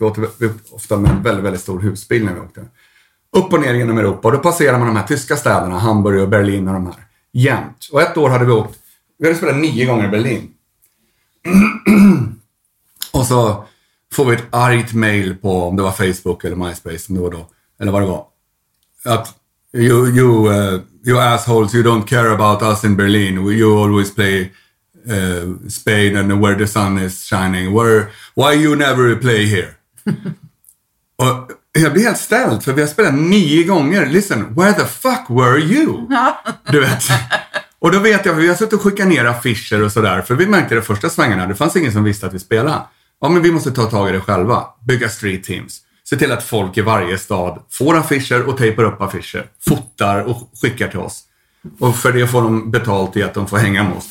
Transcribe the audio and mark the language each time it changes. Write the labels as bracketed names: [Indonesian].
[Swedish] Vi åkte ofta med en väldigt, väldigt stor husbil när vi åkte. Upp och ner genom Europa. Och då passerar man de här tyska städerna, Hamburg och Berlin och de här. Jämt. Och ett år hade vi åkt, vi hade spelat 9 gånger i Berlin. Och så får vi ett argt mail på, om det var Facebook eller MySpace, om det var då, eller vad det var. Att... [English] You assholes, you don't care about us in Berlin. You always play Spain and where the sun is shining. Why you never play here? [Swedish] Och jag blir helt ställd, för vi har spelat 9 gånger. [English] Listen, where the fuck were you? [Swedish] Du vet. Och då vet jag, för vi har suttit och skickat ner affischer och sådär. För vi märkte det första svängarna. Det fanns ingen som visste att vi spelade. Ja, men vi måste ta tag i det själva. Bygga street teams. Se till att folk i varje stad får affischer och tejpar upp affischer. Fotar och skickar till oss. Och för det får de betalt i att de får hänga med oss.